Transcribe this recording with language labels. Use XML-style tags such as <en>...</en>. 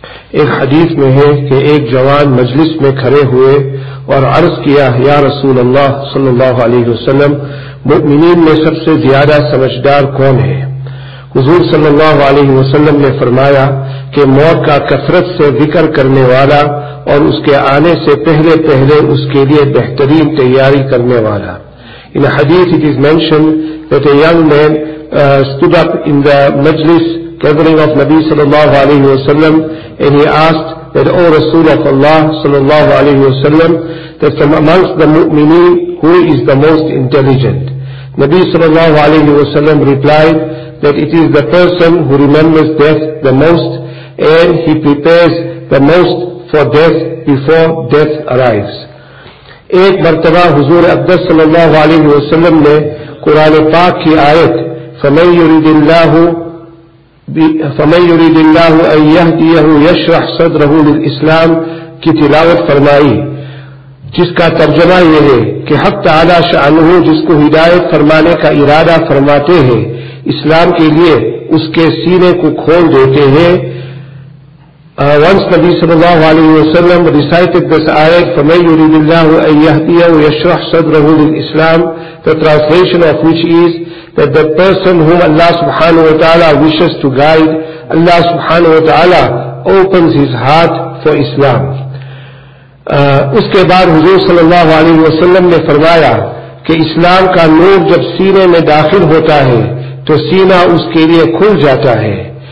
<ur>ایک حدیث میں ہے کہ ایک جوان مجلس میں کھڑے ہوئے اور عرض کیا, یا رسول اللہ صلی اللہ علیہ وسلم, مؤمنین میں سب سے زیادہ سمجھدار کون ہے؟ حضور صلی اللہ علیہ وسلم نے فرمایا کہ موت کا کثرت سے ذکر کرنے والا اور اس کے آنے سے پہلے پہلے اس کے لیے بہترین تیاری کرنے والا.</ur> <en>In a hadith it is mentioned that a young man stood up in the majlis gathering of Nabi sallallahu alayhi wa sallam, and he asked that, O Rasul of Allah sallallahu alayhi wa sallam, that from amongst the mu'mineen, who is the most intelligent? Nabi sallallahu alayhi wa sallam replied that it is the person who remembers death the most, and he prepares the most for death before death arrives.</en> <ur>ایک مرتبہ حضور اقدس صلی اللہ علیہ وسلم نے قرآن پاک کی آیت</ur> <ar>فَمَن يُرِدِ اللَّهُ أَن يَهْدِيَهُ يَشْرَحْ صَدْرَهُ لِلْإِسْلَامِ</ar> <ur>کی تلاوت فرمائی, جس کا ترجمہ یہ ہے کہ حق تعالی شأنہ جس کو ہدایت فرمانے کا ارادہ فرماتے ہیں اسلام کے لیے اس کے سینے کو کھول دیتے ہیں.</ur> <en>Once Nabi sallallahu alayhi wa sallam recited this ayat,</en> <ar>فَمَنْ يُرِدِ اللَّهُ أَنْ يَهْدِيَهُ يَشْرَحْ صَدْرَهُ لِلْإِسْلَامِ,</ar> <en>the translation of which is that the person whom Allah subhanahu wa ta'ala wishes to guide, Allah subhanahu wa ta'ala opens his heart for Islam.</en> <ur>اس کے بعد حضور sallallahu alayhi wa sallam نے فرمایا کہ اسلام کا نور جب سینے میں داخل ہوتا ہے تو سینہ اس کے لئے کھل جاتا ہے.</ur>